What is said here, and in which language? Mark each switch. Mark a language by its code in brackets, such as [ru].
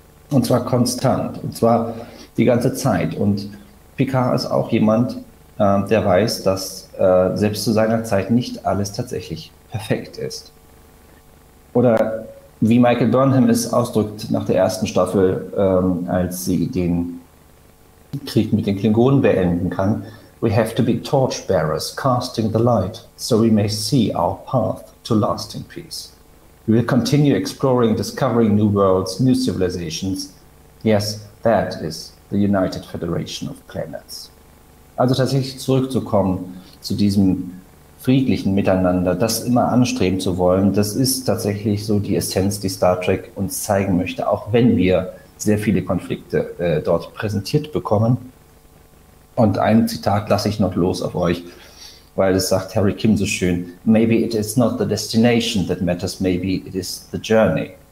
[de] Und zwar konstant, und zwar die ganze Zeit. Und Picard ist auch jemand, der weiß, dass selbst zu seiner Zeit nicht alles tatsächlich perfekt ist. Oder wie Michael Burnham es ausdrückt nach der ersten Staffel, als sie den Krieg mit den Klingonen beenden kann. [en] We have to be torchbearers, casting the light, so we may see our path to lasting peace. We will continue exploring, discovering new worlds, new civilizations. Yes, that is the United Federation of Planets. [de] Also tatsächlich zurückzukommen zu diesem friedlichen Miteinander, das immer anstreben zu wollen, das ist tatsächlich so die Essenz, die Star Trek uns zeigen möchte, auch wenn wir sehr viele Konflikte dort präsentiert bekommen. Und ein Zitat lasse ich noch los auf euch, weil es sagt Harry Kim so schön, [en] maybe it is not the destination that matters, maybe it is the journey.